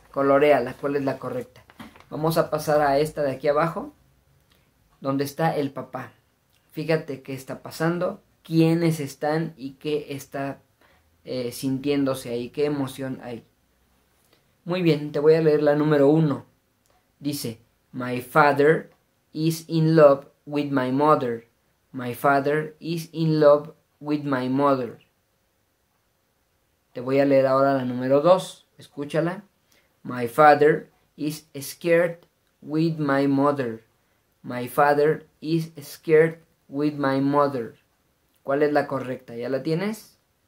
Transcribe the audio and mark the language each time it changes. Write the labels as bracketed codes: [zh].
[es] Coloréala, ¿cuál es la correcta? Vamos a pasar a esta de aquí abajo, donde está el papá. Fíjate qué está pasando, quiénes están y qué está sintiéndose ahí, qué emoción hay. Muy bien, te voy a leer la número uno. Dice: [en] My father is in love with my mother. My father is in love with my mother. [es] Te voy a leer ahora la número dos. Escúchala. [en] My father is scared with my mother. My father is scared with my mother. [es] ¿Cuál es la correcta? ¿Ya la tienes?